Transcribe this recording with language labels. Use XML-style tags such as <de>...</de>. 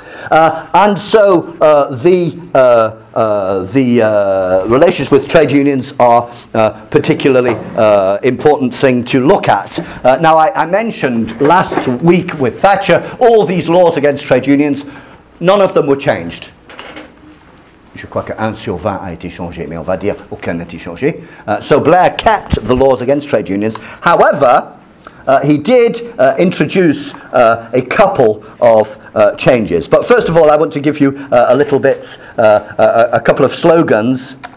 <en>And so the relations with trade unions are a particularly important thing to look at. Now, I mentioned last week with Thatcher all these laws against trade unions. None of them were changed.</en> <fr>Je crois qu'un sur vingt a été changé, mais on va dire aucun n'a été changé.</fr> <en>So Blair kept the laws against trade unions. However, he did introduce a couple of changes. But first of all, I want to give you a couple of slogans.</en>